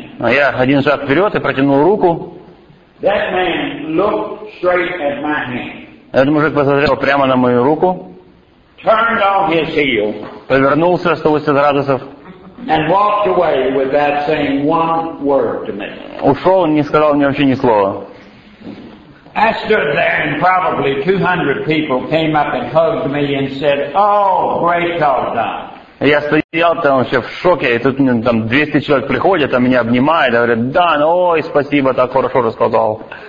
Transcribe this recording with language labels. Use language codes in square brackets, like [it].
[ru] я один шаг вперед и протянул руку. [en] That man looked straight at my hand. [ru] Этот мужик посмотрел прямо на мою руку. [en] Turned on his heel. [ru] Повернулся 180 градусов. [en] And walked away without saying one word to me. [ru] Ушел, не сказал мне вообще ни слова. [en] I stood there and probably 200 people came up and hugged me and said, "Oh, great job done." [ru] Я стоял там вообще в шоке, и тут там 200 человек приходят, а меня обнимают, говорят, да, ну ой, спасибо, так хорошо рассказал.